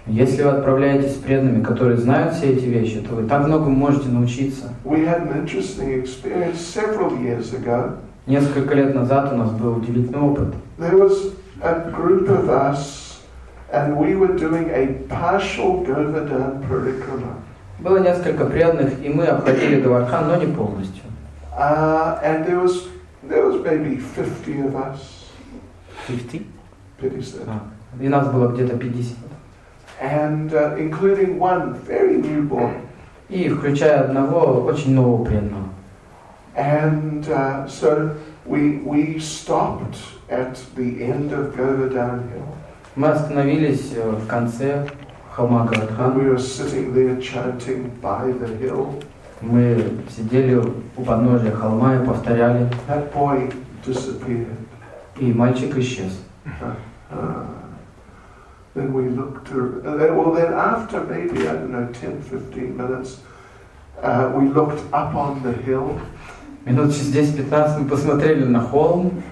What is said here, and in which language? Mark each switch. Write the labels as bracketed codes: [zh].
[ru] Если вы отправляетесь с преданными, которые знают все эти вещи, то вы так многому можете научиться. [en] We had an interesting experience several years ago. [ru] Несколько лет назад у нас был удивительный опыт. [en] There was a group of us, and we were doing a partial Govardhan parikrama. [ru] Было несколько преданных, и мы обходили Говардхан, но не полностью. [en] And there was maybe 50 of us. 50? 50. [ru] И нас было где-то 50. [en] And including one very new boy. [ru] И включая одного очень нового преданного. [en] And so we stopped at the end of Govardhan Hill. [ru] Мы остановились в конце. [en] We were sitting there chanting by the hill. [ru] Мы сидели у подножия холма и повторяли. [en] That boy disappeared. [ru] И мальчик исчез. [en] Then we looked around. Well, then after maybe I don't know 10-15 minutes, we looked up on the hill. [ru] Минут через 10-15 мы посмотрели на холм.